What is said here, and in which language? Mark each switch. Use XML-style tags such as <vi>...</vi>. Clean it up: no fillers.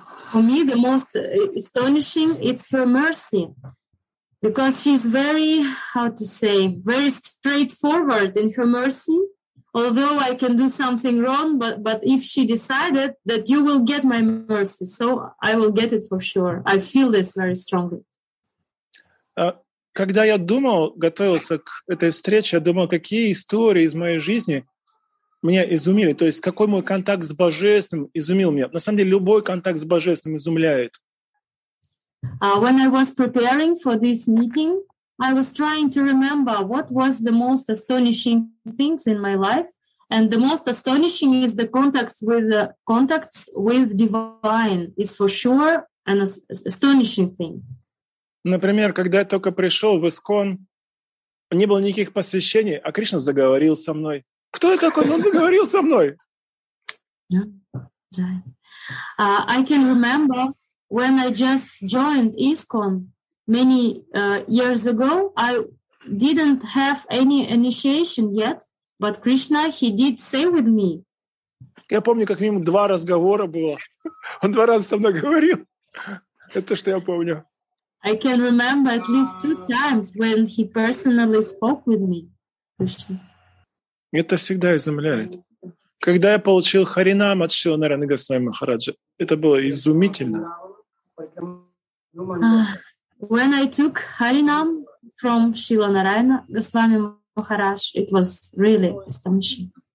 <en>For me, the most astonishing, it's her mercy. Because she's very, how to say, very straightforward in her mercy. Although I can do something wrong, but if she decided that you will get my mercy, so I will get it for sure. I feel this very strongly.</en> <ru>Когда я думал, готовился к этой встрече, я думал, какие истории из моей жизни меня изумили, то есть какой мой контакт с Божественным изумил меня. На самом деле любой контакт с Божественным изумляет.</ru> <en>When I was preparing for this meeting, I was trying to remember what was the most astonishing things in my life, and the most astonishing is the contacts with divine. It's for sure an astonishing thing.</en> <ru>Например, когда я только пришел в ИСКОН, не было никаких посвящений, а Кришна заговорил со мной. Кто я такой? Он заговорил со мной.</ru> <en>I can remember when I just joined ISKCON many years ago. I didn't have any initiation yet, but Krishna, he did say with me.</en> <ru>Я помню, как минимум два разговора было. Он два раза со мной говорил. Это то, что я помню.</ru> <en>I can remember at least two times when he personally spoke with me.</en> <ru>Это всегда изумляет. Когда я получил харинам от Шрилы Нараяны Госвами Махараджа, это было изумительно.</ru> <en>When I took Harinam from Srila Narayana Goswami Maharaj, it was really astonishing.</en>